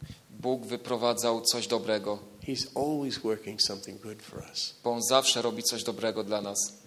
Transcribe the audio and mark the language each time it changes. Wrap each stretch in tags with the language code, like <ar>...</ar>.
<pl>Bóg wyprowadzał coś dobrego.</pl> <en>He's always working something good for us.</en> <pl>Bo on zawsze robi coś dobrego dla nas.</pl>